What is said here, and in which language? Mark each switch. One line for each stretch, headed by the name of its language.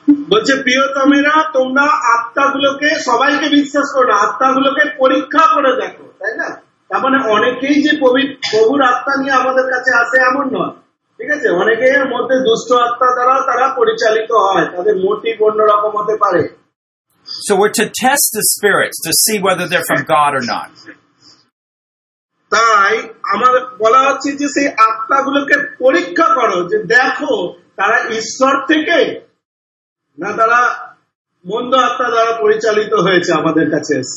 Bangla: বলছে প্রিয়তমেরা তোমরা আত্মাগুলোকে সবাইকে বিশ্বাস করো না, আত্মাগুলোকে পরীক্ষা করে দেখো, তাই না? তার মানে অনেকেই যে প্রভুর আত্মা নিয়ে আমাদের কাছে আসে এমন নয়, ঠিক আছে? অনেকের মধ্যে দুষ্ট আত্মা দ্বারা তারা পরিচালিত হয়, তাদের মোটিভ অন্যরকম হতে পারে।
English: So we're to test the spirits to see whether they're from God or not.
Bangla: তাই আমার বলা হচ্ছে যে সেই আত্মাগুলোকে পরীক্ষা করো যে দেখো তারা ঈশ্বর থেকে না তারা মন্দ আত্মা দ্বারা পরিচালিত হয়েছে আমাদের কাছে।